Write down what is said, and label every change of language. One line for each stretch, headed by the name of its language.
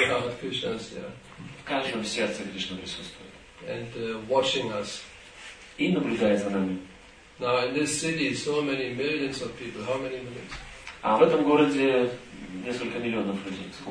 Russian: В каждом сердце Кришна присутствует.
English: And watching us.
Russian: И наблюдает за нами.
English: Now in this city, so many millions of people. How many millions?
Russian: А в этом городе несколько миллионов людей.